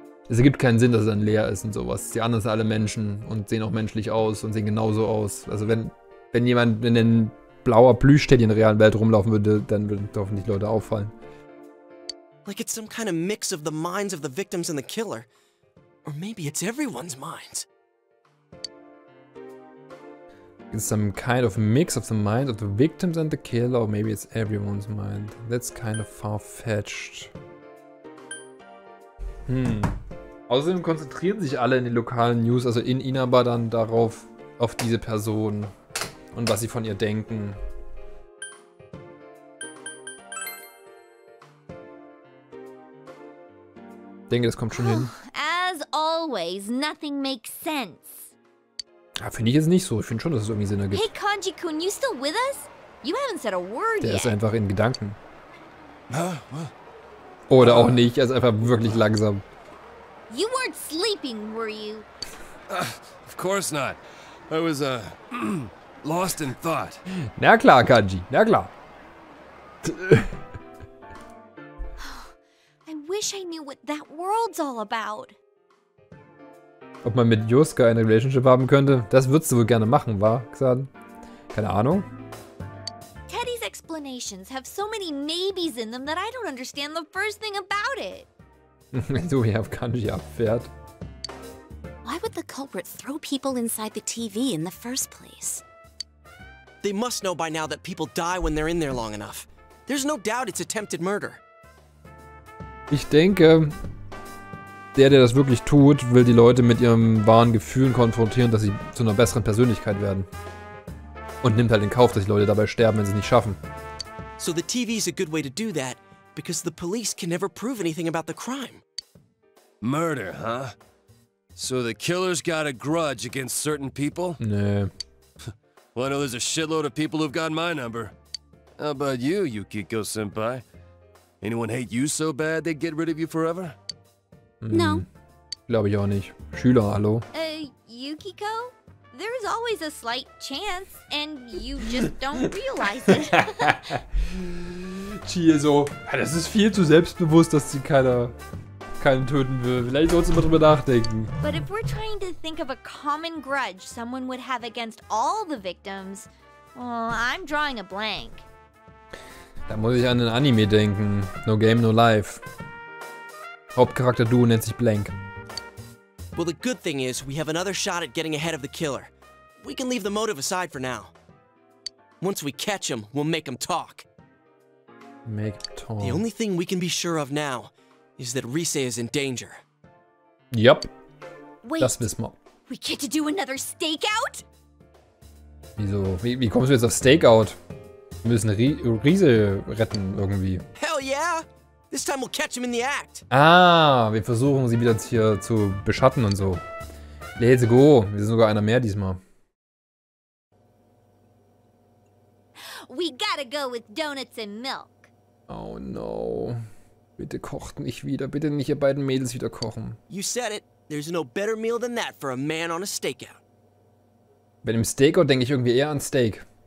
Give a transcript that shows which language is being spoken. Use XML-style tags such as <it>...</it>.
<de>Es ergibt keinen Sinn, dass er dann leer ist und sowas. Die anderen sind alle Menschen und sehen auch menschlich aus und sehen genauso aus. Also wenn ein blauer Plüschteddy in der realen Welt rumlaufen würde, dann würden hoffentlich Leute auffallen.</de> <en>Like it's some kind of mix of the minds of the victims and the killer. Or maybe it's everyone's minds. It's some kind of mix of the minds of the victims and the killer, or maybe it's everyone's mind. That's kind of far-fetched.</en> <de>Außerdem konzentrieren sich alle in den lokalen News, also in Inaba, dann darauf, auf diese Person und was sie von ihr denken. Ich denke, das kommt schon hin.</de> <en>Always, nothing makes sense.</en> <de>Ja, finde ich jetzt nicht so. Ich finde schon, dass es irgendwie Sinn ergibt.</de> <en>Hey, Kanji-kun, you still with us? You haven't said a word</en> <de>der</de> <en>yet.</en> <de>Der ist einfach in Gedanken. Oder auch nicht. Er ist einfach wirklich langsam.</de> <en>You weren't sleeping, were you? Of course not. I was, lost in thought.</en> <de>Na klar, Kanji, na klar.</de> <en>I wish I knew what that world's all about.</en> <de>Ob man mit Yosuke eine Relationship haben könnte, das würdest du wohl gerne machen, wa, Xan? Keine Ahnung.</de> <en>Teddy's explanations have so many maybes in them that I don't understand the first thing about it.</en> <de>So wie auf Kanji abfährt.</de> <en>Why would the culprit throw people inside the TV in the first place? They must know by now that people die when they're in there long enough. There's no doubt it's attempted murder.</en> <de>Ich denke, der das wirklich tut, will die Leute mit ihren wahren Gefühlen konfrontieren, dass sie zu einer besseren Persönlichkeit werden. Und nimmt halt in Kauf, dass die Leute dabei sterben, wenn sie es nicht schaffen.</de> <en>So the TV is a good way to do that, because the police can never prove anything about the crime. Murder, huh? So the killer's got a grudge against certain people?</en> <de>Nee.</de> <en>Well, I know there's a shitload of people who've got my number. How about you, Yukiko-senpai? Anyone hate you so bad they'd get rid of you forever? No.</en> <de>Glaube ich auch nicht. Schüler, hallo.</de> <en>Yukiko? There's always a slight chance, and you just don't realize it.</en> <de>Chie so, ja, das ist viel zu selbstbewusst, dass sie keinen töten will. Vielleicht sollst du mal drüber nachdenken.</de> <en>But if we're trying to think of a common grudge someone would have against all the victims, well, I'm drawing a blank.</en> <de>Da muss ich an den Anime denken. No Game, No Life. Hauptcharakter Duo nennt sich Blank.</de> <en>Well, the good thing is, we have another shot at getting ahead of the killer. We can leave the motive aside for now. Once we catch him, we'll make him talk. Make him talk. The only thing we can be sure of now is that Risei is in danger. Yep. Wait.</en> <de>Das wissen wir.</de> <en>We get to do another stakeout?</en> <de>Wieso? Wie kommst du jetzt auf Stakeout? Wir müssen Risei retten irgendwie.</de> <en>Hell yeah! This time we'll catch him in the act.</en> <de>Ah, wir versuchen sie wieder hier zu beschatten und so.</de> <en>Let's go.</en> <de>Wir sind sogar einer mehr diesmal.</de> <en>We gotta go with donuts and milk.</en> <de>Oh no. Bitte kocht nicht wieder. Bitte nicht ihr beiden Mädels wieder kochen.</de> <en>You said it. There's no better meal than that for a man on a stakeout.</en> <de>Bei dem Stakeout denke ich irgendwie eher an Steak.</de>